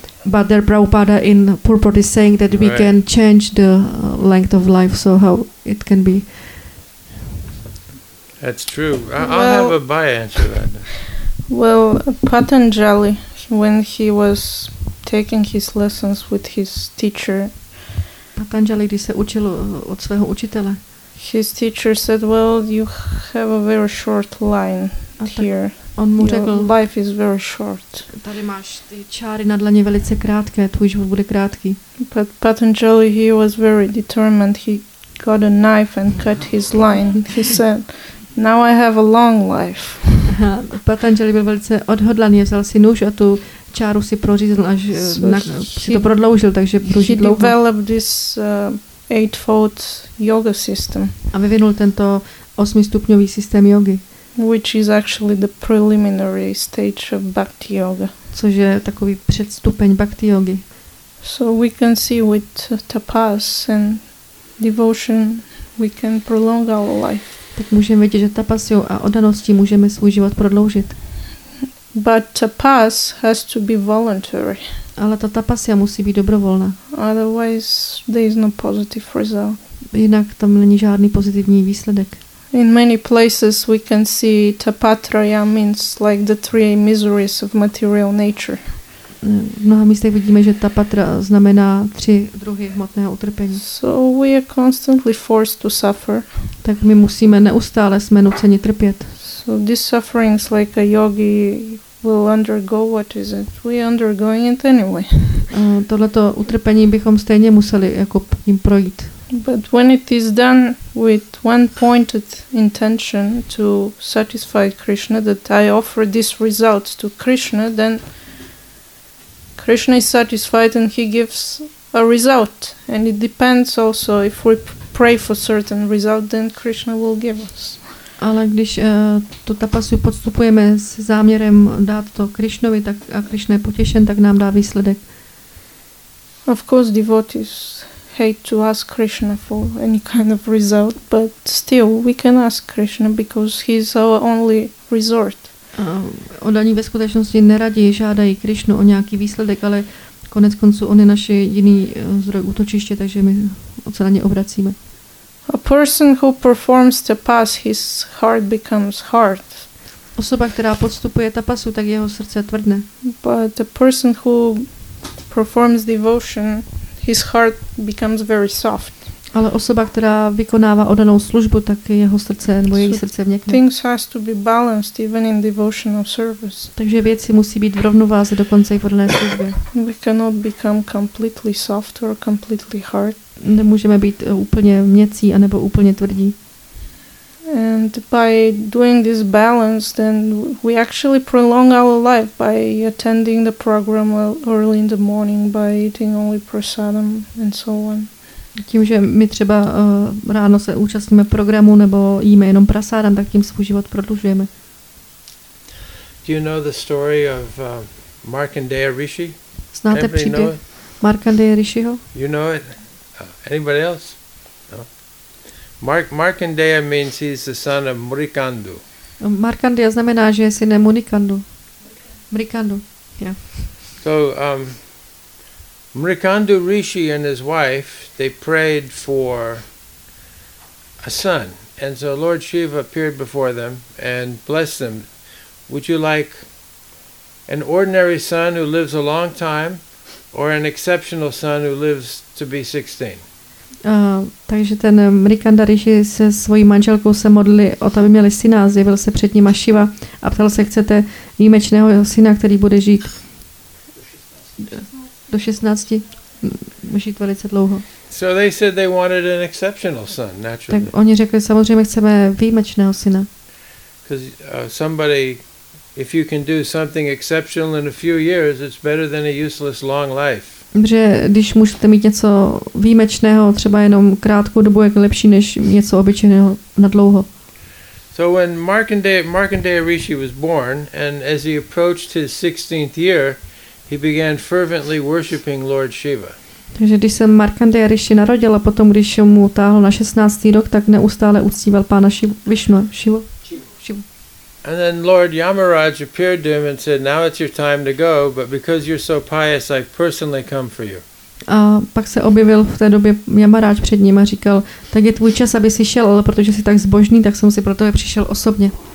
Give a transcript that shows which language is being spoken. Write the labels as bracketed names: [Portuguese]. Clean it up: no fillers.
[English] But there Prabhupada in Purport is saying that we can change the length of life, so how it can be. That's true. I'll have a bi answer to that. Well, Patanjali, when he was taking his lessons with his teacher, [Czech] Patanjali, když se učil od svého učitele, [English] his teacher said, "Well, you have a very short line here. [Czech] On mu řekl, [English] your life is very short." [Czech] Tady máš ty čáry na dlaně velice krátké, tvůj život bude krátký. [English] But Patanjali, he was very determined. He got a knife and cut his line. He said, "Now I have a long life." [Czech] Patanjali byl velice odhodlaný, vzal si nůž a tu čáru si prořízl, až si to prodloužil, takže budu žít dlouho. [English] Developed this eightfold yoga system. [Czech] A vyvinul tento osmistupňový systém jógy. [English] Which is actually the preliminary stage of bhakti yoga. [Czech] Což je takový předstupeň bhakti yogi. [English] So we can see with tapas and devotion we can prolong our life. [Czech] Tak můžeme vidět, že tapasy a oddaností můžeme svůj život prodloužit. [English] But tapas has to be voluntary. [Czech] Ale ta tapasya musí být dobrovolná. [English] Otherwise there is no positive result. [Czech] Jinak tam není žádný pozitivní výsledek. [English] In many places we can see tapatraya means like the three miseries of material nature. [Czech] V mnoha místech vidíme, že tapatra znamená tři druhy hmotného utrpení. [English] So we are constantly forced to suffer. [Czech] Tak my musíme neustále jsme nuceni trpět. [English] So these sufferings like a yogi will undergo, what is it? We are undergoing it anyway. [Czech] Tohleto utrpení bychom stejně museli jako tím projít. [English] But when it is done with one pointed intention to satisfy Krishna, that I offer this result to Krishna, then Krishna is satisfied and he gives a result. And it depends also if we pray for certain result, then Krishna will give us. [Czech] Ale když tu tapasu podstupujeme s záměrem dát to Krishnovi, tak a Krishna je potěšen, tak nám dá výsledek. [English] Of course devotees hate to ask Krishna for any kind of result, but still we can ask Krishna because he is our only resort. [Czech] Oddaní ve skutečnosti neradí žádají Krišnu o nějaký výsledek, ale konec konců on je naše jediný zdroj útočiště, takže my se na ně obracíme. [English] A person who performs tapas, his heart becomes hard. [Czech] Osoba, která podstupuje tapasu, tak jeho srdce tvrdne. [English] But a person who performs devotion, his heart becomes very soft. [Czech] Ale osoba, která vykonává oddanou službu, tak jeho srdce nebo její srdce měkne. [English] Things has to be balanced even in devotional service. [Czech] Takže věci musí být v rovnováze dokonce i v oddané službě. [English] We cannot become completely soft or completely hard. [Czech] Nemůžeme být úplně měcí anebo úplně tvrdí. [English] And by doing this balance, then we actually prolong our life by attending the program early in the morning, by eating only prasadam and so on. [Czech] Tím, že my třeba ráno se účastníme programu nebo jíme jenom prasádám, tak tím svůj život prodlužujeme. [English] Do you know the story of Markandeya Rishi? [Czech] Znáte příběh Markandeya Rishiho? [English] You know it? Anybody else? No. Markandeya means he's the son of Murikandu. [Czech] Markandeya znamená, že je syn Murikandu. Murikandu. Yeah. [English] So Murikandu Rishi and his wife, they prayed for a son. And so Lord Shiva appeared before them and blessed them. Would you like an ordinary son who lives a long time or an exceptional son who lives to be 16? [Czech] Takže ten Murikandu Rishi se svojí manželkou se modlili o to, aby měli syna. Zjevil se před nima Shiva a ptal se, chcete výjimečného syna, který bude žít do 16, žít velice dlouho. [English] So they said they wanted an exceptional son, naturally. [Czech] Tak oni řekli, samozřejmě chceme výjimečného syna. [English] Because somebody, if you can do something exceptional in a few years, it's better than a useless long life. [Czech] Že když můžete mít něco výjimečného, třeba jenom krátkou dobu, je lepší než něco obyčejného na dlouho. [English] So when Markandeya Rishi was born, and as he approached his 16th year, he began fervently worshiping Lord Shiva. [Czech] Takže když se Markandeya Rishi narodil a potom, když mu táhl na 16. rok, tak neustále uctíval pána Vishnu, Shivu. [English] And then Lord Yamaraj appeared to him and said, now it's your time to go, but because you're so pious, I personally come for you. [Czech] A pak se objevil v té době Yamaraj před ním a říkal, tak je tvůj čas, aby si šel, ale protože jsi tak zbožný, tak jsem si pro tebe přišel osobně.